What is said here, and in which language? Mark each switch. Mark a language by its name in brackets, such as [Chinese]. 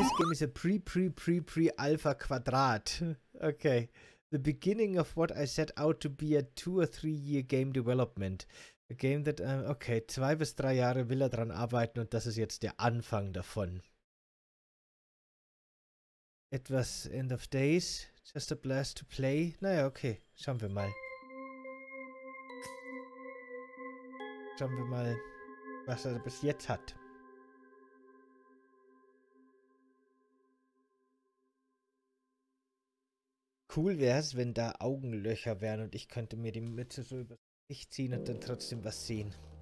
[English] game is a pre-pre-pre-pre-alpha-Quadrat. Okay. The beginning of what I set out to be a 2 or 3 year game development. A game that, okay, [German] 2 bis 3 Jahre will er dran arbeiten und das ist jetzt der Anfang davon. Etwas [English] end of days, just a blast to play. [German] Naja, okay, schauen wir mal. Schauen wir mal, was er bis jetzt hat. Cool wär's, wenn da Augenlöcher wären und ich könnte mir die Mütze so über sich ziehen und dann trotzdem was sehen.